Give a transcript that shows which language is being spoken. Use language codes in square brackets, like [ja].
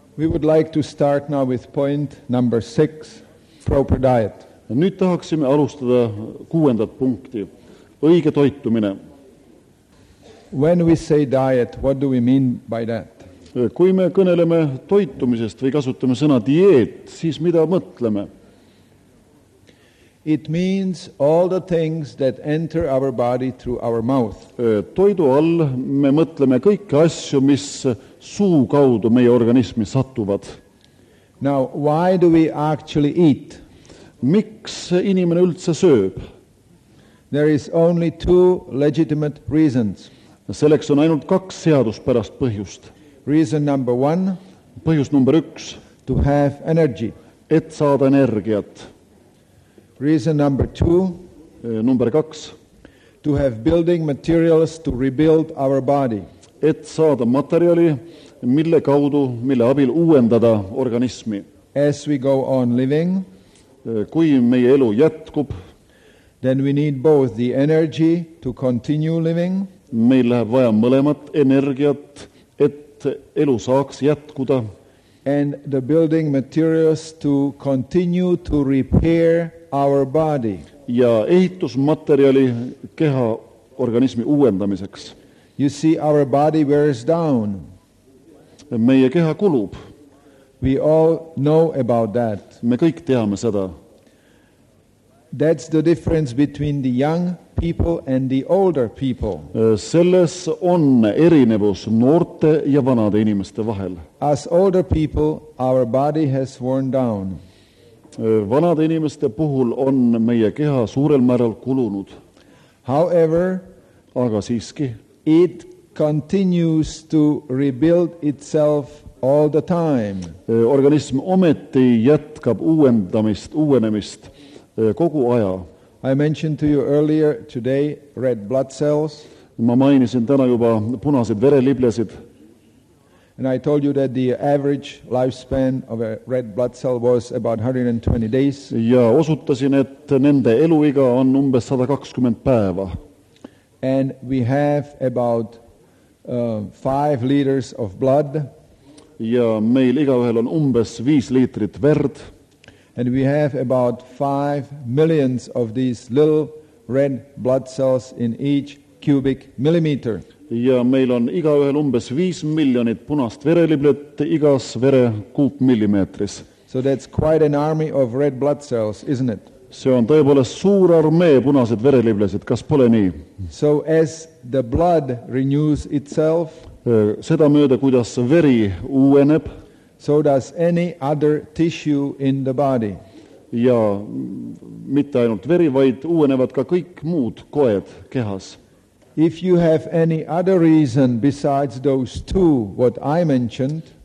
[en] We would like to start now with point number 6, proper diet. [et] Nyt tahaksimme alustada kuudenta punkti, oikea toittuminen. [en] When we say diet, what do we mean by that? [et] Kui me kõneleme toitumisest või kasutame sõna dieet, siis mida mõtleme? [en] It means all the things that enter our body through our mouth. [et] Toidu all me mõtleme kõike asju, mis suu kaudu meie organismi satuvad. [en] Now, why do we actually eat? [et] Miks inimene üldse sööb? [en] There is only two legitimate reasons. [et] Selleks on ainult kaks seaduspärast põhjust. [en] Reason number one. [et] Põhjus number üks. [en] To have energy. [et] Et saada energiat. [en] Reason number two. [et] Number kaks. [en] To have building materials to rebuild our body. [et] Et saada materjali, mille kaudu, mille abil uuendada organismi. [en] As we go on living. [et] Kui meie elu jätkub. [en] Then we need both the energy to continue living. [et] Meil läheb vaja mõlemat energiat, et elu saaks jätkuda. [en] And the building materials to continue to repair our body. [et] Ja ehitusmaterjali keha organismi uuendamiseks. [en] You see, our body wears down. [et] Meie keha kulub. [en] We all know about that. [et] Me kõik teame seda. [en] That's the difference between the young people and the older people. [et] Selles on erinevus noorte ja vanade inimeste vahel. [en] As older people, our body has worn down. [et] Vanade inimeste puhul on meie keha suurel määral kulunud. [en] However, [et] aga siiski, [en] it continues to rebuild itself all the time. [et] Organism ometi jätkab uuenemist kogu aja. [en] I mentioned to you earlier today red blood cells. [et] Ma mainisin täna juba punased vereliblesid. [en] And I told you that the average lifespan of a red blood cell was about 120 days. [et] Ja osutasin, et nende eluiga on umbes 120 päeva. [en] And we have about 5 liters of blood. [et] Ja meil igaühel on umbes 5 liitrit verd. [en] And we have about 5 millions of these little red blood cells in each cubic millimeter. [et] Ja meil on igaühel umbes 5 miljonit punast vereliblet igas vere kuupmillimeetris. [en] So that's quite an army of red blood cells, isn't it? [et] See on tõepoolest suur armee punased vereliblesid, kas pole nii? [en] So as the blood renews itself, [et] seda mööda, kuidas veri uueneb, [en] so does any other tissue in the body. [et] Ja mitte ainult veri, vaid uuenevad ka kõik muud koed kehas. [en] If you have any other reason besides those two, what I mentioned,